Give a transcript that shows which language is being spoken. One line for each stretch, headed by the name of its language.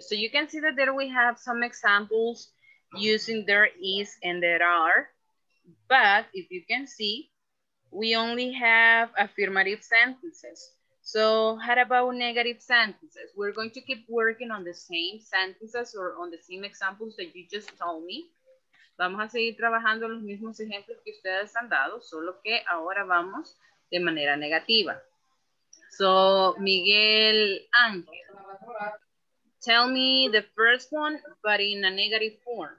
English: So you can see that there we have some examples using there is and there are. But if you can see, we only have affirmative sentences. So how about negative sentences? We're going to keep working on the same sentences or on the same examples that you just told me.
Spanish: Vamos a seguir trabajando los mismos ejemplos que ustedes han dado, solo que ahora vamos de manera negativa.
English: So, Miguel Ángel, tell me the first one, but in a negative form.